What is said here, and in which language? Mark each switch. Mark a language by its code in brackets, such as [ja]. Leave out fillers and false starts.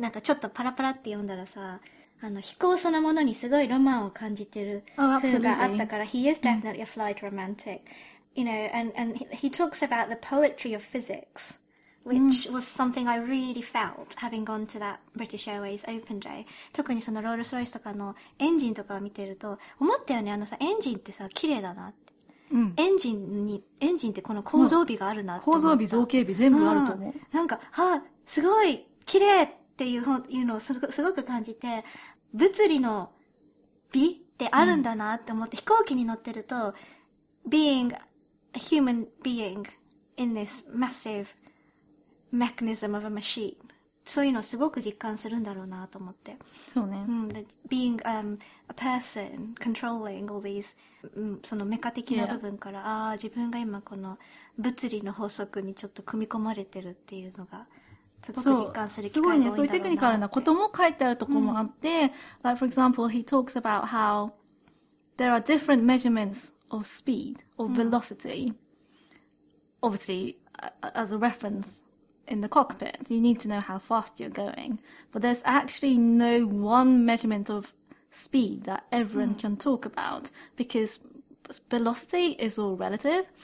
[ja] なんかちょっとパラパラって読んだらさ、あの飛行そのものにすごいロマンを感じてる風があったから、 [en] absolutely. He is definitely a flight romantic. You know, and he talks about the poetry of physics, which was something I really felt having gone to that British Airways Open Day. [ja] 特にそのロールスロイスとかのエンジンとかを見てると、思ったよね、あのさ、エンジンってさ、綺麗だなって。エンジンってこの構造美があるなって構造美造形美全部あると思う、なんかはあ、すごい綺麗っていうのをすごく感じて、物理の美ってあるんだなって思って、飛行機に乗ってると [en] being a human being in this massive mechanism of a machine、 [ja] そういうのをすごく実感するんだろうなと思って、そうね、 [en] being a person controlling all these [ja] そのメカ的な部分から、 [en] yeah. [ja] ああ自分が今この物理の法則にちょっと組み込まれてるっていうのがすごく実感する機会が多いんだろうなって。すごいね、そういうテクニカルなことも書いてあるところもあって、 [en] like for example he talks about how there are different measurements of speed or velocity、obviously as a reference in the cockpit you need to know how fast you're going, but there's actually no one measurement ofspeed that everyone can talk about, because velocity is all relative.